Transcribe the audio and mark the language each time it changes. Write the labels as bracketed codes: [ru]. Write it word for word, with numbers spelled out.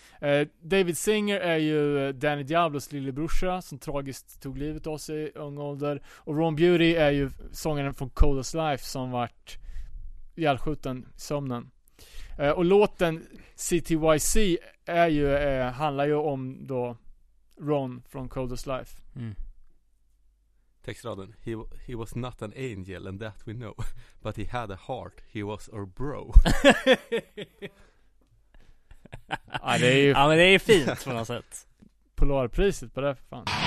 [sv] Uh, David Singer är ju Danny Diablos lillebrorsa som tragiskt tog livet av sig i ung ålder, och Ron Beauty är ju sångaren från Coldest Life som vart ihjälskjuten i sömnen. Uh, och låten C T Y C är ju, uh, handlar ju om då Ron från Coldest Life. Mm. Textraden, [en] he, he was not an angel and that we know, but he had a heart, he was our bro. [sv] Ja, det är ju... ja men det är ju fint på något sätt. Polarpriset på det här för fan.